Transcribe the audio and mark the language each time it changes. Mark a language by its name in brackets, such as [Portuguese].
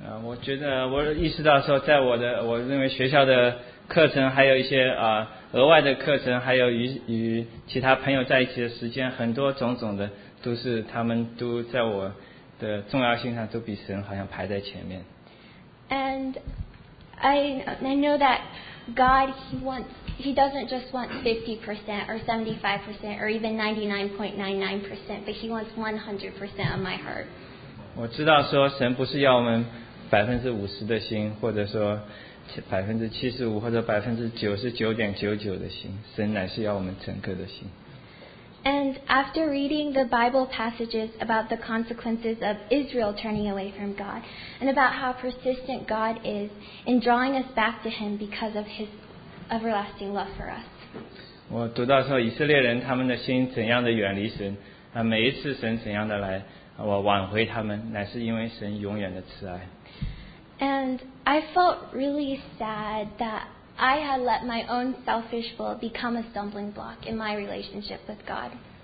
[Chinese] 我觉得我意识到说，在我的认为学校的课程，还有一些额外的课程，还有与其他朋友在一起的时间，很多种种的都是他们都在我的重要性上都比神好像排在前面。And [English] I know that God, He doesn't just want 50% or 75% or even 99.99%, but He wants 100% of my heart. [Chinese] 我知道说神不是要我们 50%的心，或者说75%或者99.99%的心，神乃是要我们整个的心。 [English] And after reading the Bible passages about the consequences of Israel turning away from God, and about how persistent God is in drawing us back to Him because of His everlasting love for us. [Chinese] 我读到说以色列人他们的心怎样的远离神，每一次神怎样的来，我挽回他们，乃是因为神永远的慈爱。 [English] And I felt really sad that I had let my own selfish will become a stumbling block in my relationship with God.